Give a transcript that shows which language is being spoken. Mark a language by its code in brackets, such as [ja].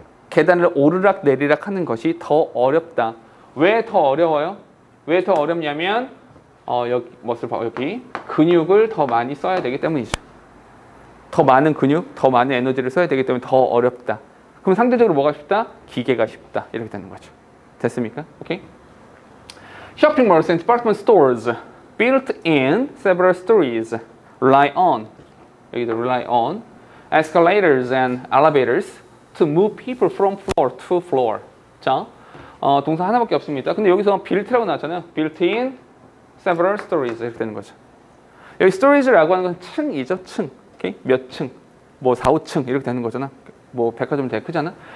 [ko] 계단을 오르락 내리락 하는 것이 더 어렵다. 왜 더 어려워요? 왜 더 어렵냐면 여기 멋을 봐. 여기 근육을 더 많이 써야 되기 때문이죠. 더 많은 근육, 더 많은 에너지를 써야 되기 때문에 더 어렵다. 그럼 상대적으로 뭐가 쉽다? 기계가 쉽다. 이렇게 되는 거죠. 됐습니까? 오케이. [en] Shopping malls and department stores built in several stories rely on [ko] 여기도 [en] rely on escalators and elevators to move people from floor to floor. [ko] 자, 동사 하나밖에 없습니다. 근데 여기서 built라고 나왔잖아요. Built in several stories 이렇게 되는 거죠. 여기 stories라고 하는 건 층이죠. 층. 오케이? 몇 층? 뭐 4, 5층 이렇게 되는 거잖아. 뭐 백화점이 되게 크잖아.